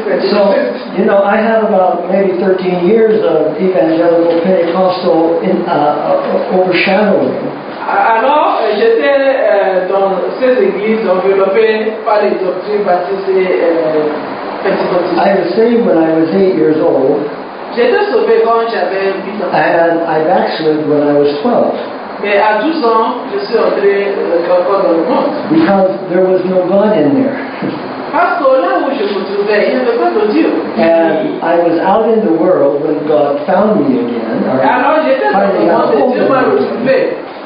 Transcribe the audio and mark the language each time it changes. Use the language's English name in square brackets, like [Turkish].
[English] So, you know, I had about maybe 13 years of evangelical Pentecostal overshadowing. [French] Alors, j'étais dans ces églises enveloppées par les doctrines baptistes et pentecostales. J'étais sauvé quand j'avais 8 ans. [English] I backslid when I was 12. [French] Mais à 12 ans, je suis entré encore dans le monde. [English] Because there was no God in there. [French] Parce que là où je me trouvais, il n'y avait pas de Dieu. [English] And I was out in the world when God found me again. [French] Alors, j'étais dans le monde et Dieu m'a retrouvé.